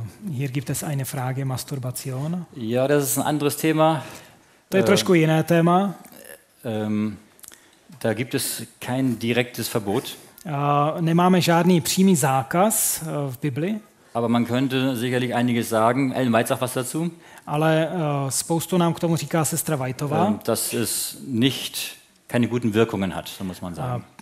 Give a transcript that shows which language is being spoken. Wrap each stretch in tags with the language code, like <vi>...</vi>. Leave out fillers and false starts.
<de>Hier gibt es eine Frage, Masturbation. Ja, das ist ein anderes Thema.</de> <cs>To je trošku jiné téma.</cs> <de>Da gibt es kein direktes Verbot.</de> <cs>Nemáme žádný přímý zákaz v Biblii.</cs> <de>Aber man könnte sicherlich einiges sagen. Ellen White sagt was dazu.</de> <cs>Ale spoustu nám k tomu říká sestra Whiteová.</cs> <de>Das ist nicht keine guten Wirkungen hat, so muss man sagen.</de>